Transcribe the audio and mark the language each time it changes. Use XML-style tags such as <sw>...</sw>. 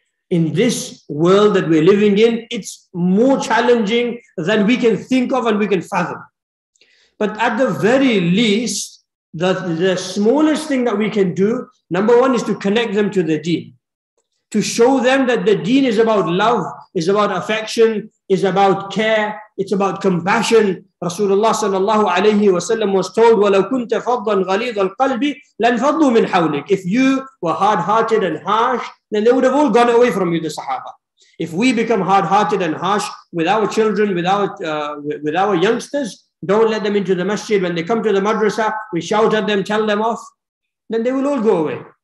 <en>In this world that we're living in, it's more challenging than we can think of and we can fathom. But at the very least, the smallest thing that we can do, number one, is to connect them to the deen. To show them that the deen is about love, is about affection, is about care, it's about compassion. Rasulullah sallallahu alayhi wa sallam was told,</en> <ar>وَلَوْ كُنْتَ فَضًّا غَلِيظَ الْقَلْبِ لَنْفَضُّوا مِنْ حَوْلِكَ.</ar> <en>If you were hard-hearted and harsh, then they would have all gone away from you, the Sahaba. If we become hard-hearted and harsh with our children, with our youngsters, don't let them into the masjid. When they come to the madrasa, we shout at them, tell them off. then they will all go away.</en>